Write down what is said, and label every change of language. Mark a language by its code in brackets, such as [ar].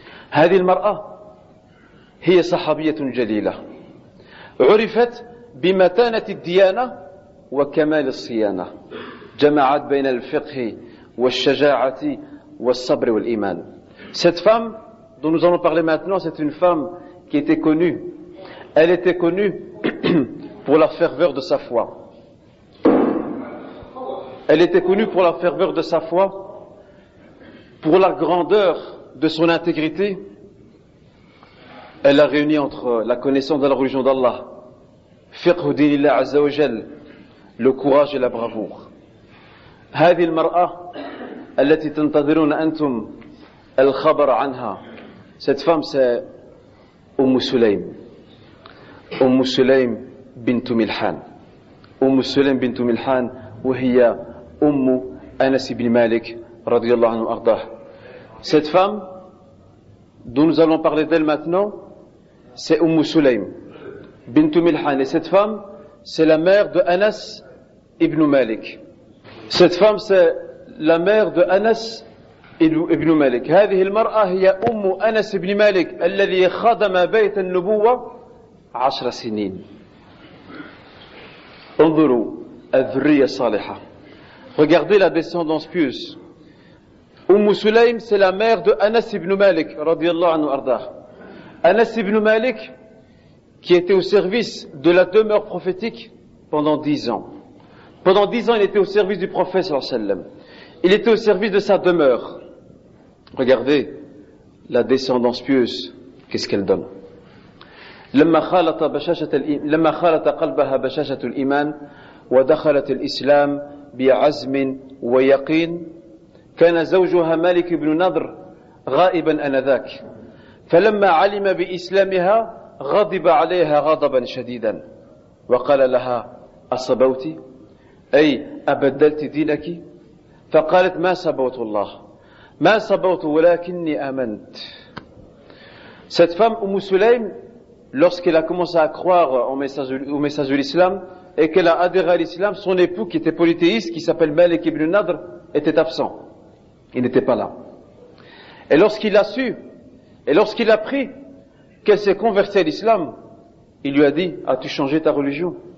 [ar] هذه المرأة هي صحابية جليلة. عرفت بمتانة الديانة وكمال الصيانة. جمعت بين الفقه والشجاعة والصبر والإيمان. [fr] Cette femme dont nous allons parler maintenant, c'est une femme qui était connue. Elle était connue pour la ferveur de sa foi. Elle était connue pour la ferveur de sa foi, pour la grandeur de son intégrité. Elle a réuni entre la connaissance de la religion d'Allah, fiqh dinillah azza wa jal, le courage et la bravoure. [ar] هذه المرأة التي تنتظرون أنتم الخبر عنها. [fr] Cette femme, c'est Umm Sulaym. Umm Sulaym bint Milhan. Umm Sulaym bint Milhan, où il y a Umm Anas ibn Malik, radiallahu anhu ardah. Cette femme, dont nous allons parler d'elle maintenant, c'est Umm Sulaym bint Milhan. Et cette femme, c'est la mère de Anas ibn Malik. Cette femme, c'est la mère de Anas ابن مالك. [ar] هذه المرأة هي أم أنس بن مالك الذي خدم بيت النبوة 10 سنين. انظروا الذرية الصالحة. [fr] Regardez la descendance pieuse. أم سليم c'est la mère de Anas ibn Malik [ar] رضي الله عنه أرضاه. [fr] Anas ibn Malik qui était au service de la demeure prophétique pendant 10 ans. Pendant 10 ans il était au service du prophète sallallahu alayhi wa sallam. Il était au service de sa demeure. Regardez la descendance pieuse, qu'est-ce qu'elle donne. [ar] لما خالط قلبها بشاشة الإيمان ودخلت الإسلام بعزم ويقين كان زوجها مالك بن نضر غائبا آنذاك فلما علم بإسلامها غضب عليها غضبا شديدا وقال لها أصبوت أي أبدلت دينك فقالت ما صبوت الله ما صبرت ولكني آمنت. [fr] Cette femme Umm Sulaym, lorsqu'elle a commencé à croire au message de l'islam et qu'elle a adhéré à l'islam, son époux qui était polythéiste, qui s'appelle Malik ibn Nadr, était absent. Il n'était pas là. Et lorsqu'il a su, et lorsqu'il a appris qu'elle s'est convertie à l'islam, il lui a dit, as-tu changé ta religion?